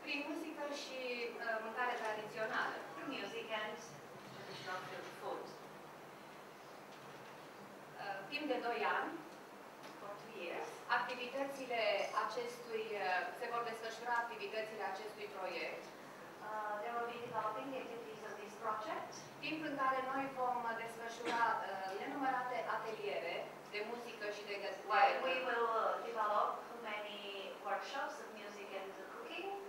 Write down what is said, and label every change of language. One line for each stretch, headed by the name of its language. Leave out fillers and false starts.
Romanian: prin muzică și mâncare tradițională.
English: Music and food.
Romanian: Timp de 2 ani,
English: for 2 years,
Romanian: activitățile acestui, se vor desfășura activitățile acestui proiect.
English: There will be developing the activities of this project.
Romanian: Timp în care noi vom desfășura nenumărate ateliere de muzică și de gătire.
English: We will develop many workshops of music and cooking.